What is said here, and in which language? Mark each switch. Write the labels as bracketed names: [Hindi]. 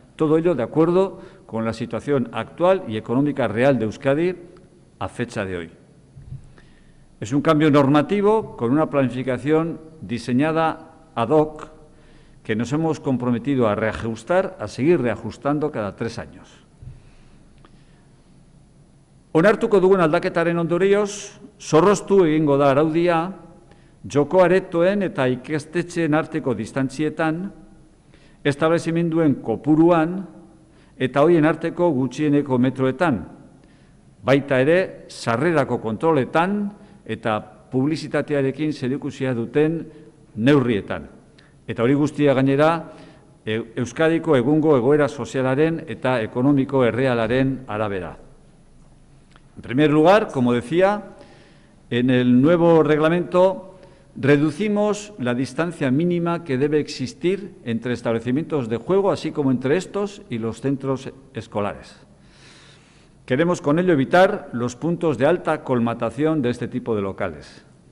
[Spanish] Todo ello de acuerdo con la situación actual y económica real de Euskadi a fecha de hoy. Es un cambio normativo con una planificación diseñada ad hoc que nos hemos comprometido a reajustar, a seguir reajustando cada 3 años. [Basque] Onartuko dugun aldaketaren ondorioz, zorroztu egingo da araudia, joko aretoen eta ikastetxeen arteko distantzietan, establezimenduen kopuruan eta hoien arteko gutxieneko metroetan, baita ere sarrerako kontroletan eta publizitatearekin zerikusia duten neurrietan. Eta hori guztia gainera, Euskadiko egungo egoera sozialaren eta ekonomiko errealaren arabera. [Spanish] En primer lugar, como decía, en el nuevo reglamento reducimos la distancia mínima que debe existir entre establecimientos de juego, así como entre estos y los centros escolares. Queremos con ello evitar los puntos de alta colmatación de este tipo de locales.